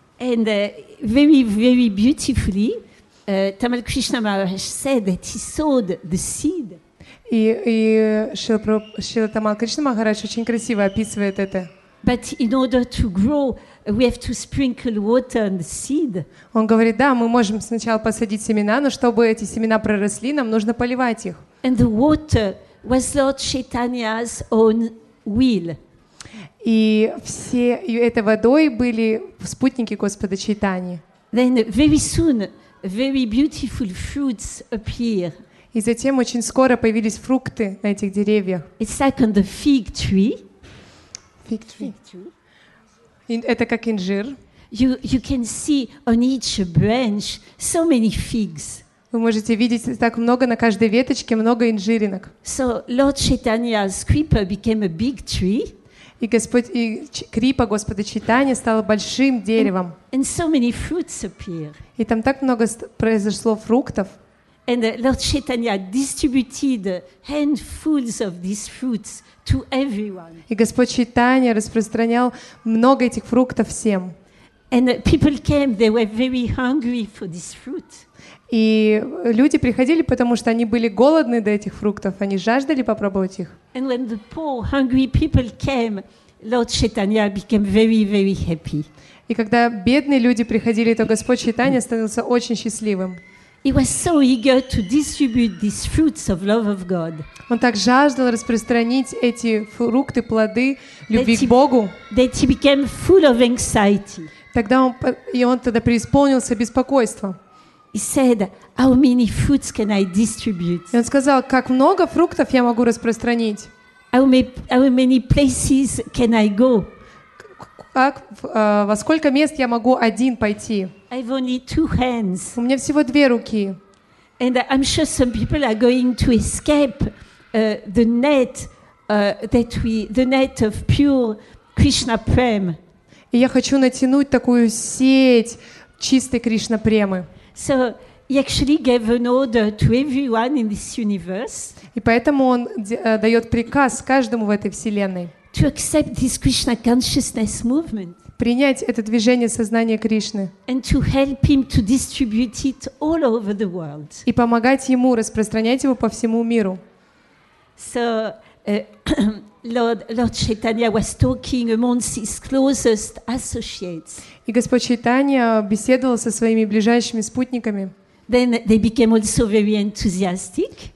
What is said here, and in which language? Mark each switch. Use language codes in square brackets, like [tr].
[en] And very, very beautifully, Tamal Krishna Maharaj said that he sowed the seed. [ru] И Шрила Тамал Кришна Махарадж очень красиво описывает это. [en] But in order to grow, we have to sprinkle water on the seed. [ru] Он говорит, да, мы можем сначала посадить семена, но чтобы эти семена проросли, нам нужно поливать их. [en] And the water was Lord Chaitanya's own will. [ru] И все этой водой были спутники Господа Чайтани. [en] Then very soon, very beautiful fruits appear. [ru] И затем очень скоро появились фрукты на этих деревьях. [en] It's like on the fig tree. [ru] Это как инжир. [en] You can see on each branch so many figs. [ru] Вы можете видеть так много на каждой веточке много инжиринок. [en] So Lord Chaitanya's Kripa became a big tree. [ru] И Крипа Господа Чайтани стала большим деревом. [en] And so many fruits appear. [ru] И там так много произошло фруктов. [en] And Lord Chaitanya distributed handfuls of these fruits to everyone. [ru] И Господь Чайтанья распространял много этих фруктов всем. [en] And people came, they were very hungry for this fruit. [ru] И люди приходили, потому что они были голодны до этих фруктов, они жаждали попробовать их. [en] And when the poor, hungry people came, Lord Chaitanya became very, very happy. [ru] И когда бедные люди приходили, то Господь Чайтанья становился очень счастливым. [en] He was so eager to distribute these fruits of love of God. [ru] Он так жаждал распространить эти фрукты, плоды любви к Богу. [en] That he became full of anxiety. [ru] Тогда он тогда преисполнился беспокойством. [en] He said, "How many fruits can I distribute?" [ru] И он сказал, как много фруктов я могу распространить? [en] How many places can I go? [ru] Как, во сколько мест я могу один пойти? [en] I've only two hands. [ru] У меня всего две руки. [en] And I'm sure some people are going to escape the net of pure Krishna Prem. [ru] И я хочу натянуть такую сеть чистой Кришна Премы. [en] So he actually gave an order to everyone in this universe. [ru] И поэтому он дает приказ каждому в этой вселенной. [en] To accept this Krishna consciousness movement. [ru] Принять это движение сознания Кришны. [en] And to help him to distribute it all over the world. [ru] И помогать ему распространять его по всему миру. [en] So Lord Chaitanya was talking amongst his closest associates. [ru] И Господь Чайтанья беседовал со своими ближайшими спутниками. [en] Then they became also very enthusiastic.